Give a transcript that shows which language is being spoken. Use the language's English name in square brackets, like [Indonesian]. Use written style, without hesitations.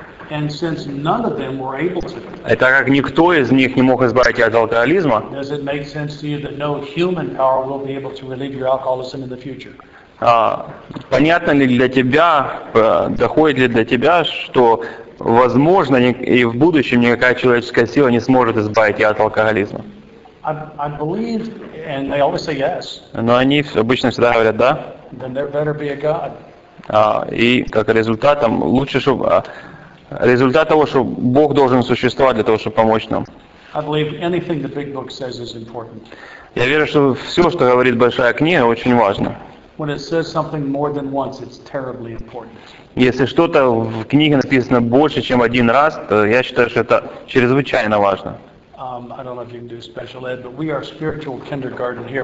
[English] And since none of them were able to. [Russian] И так как никто из них не мог избавиться от алкоголизма. [English] Does it make sense to you that no human power will be able to relieve your alcoholism in the future? [Russian] Понятно ли для тебя, доходит ли для тебя, что возможно, и в будущем никакая человеческая сила не сможет избавить тебя от алкоголизма? [English] I believe, and they always say yes. [Russian] Но они обычно всегда говорят да. [English] Then there better be a God. [Russian] И как результат, лучше, чтобы результат того, что Бог должен существовать для того, чтобы помочь нам. [English] I believe anything the big book says is important. [Russian] Я верю, что все, что говорит Большая книга, очень важно. [English] When it says something more than once, it's terribly important. [Russian] Если что-то в книге написано больше, чем один раз, то я считаю, что это чрезвычайно важно. [English] I don't know if you can do special ed, but we are spiritual kindergarten here.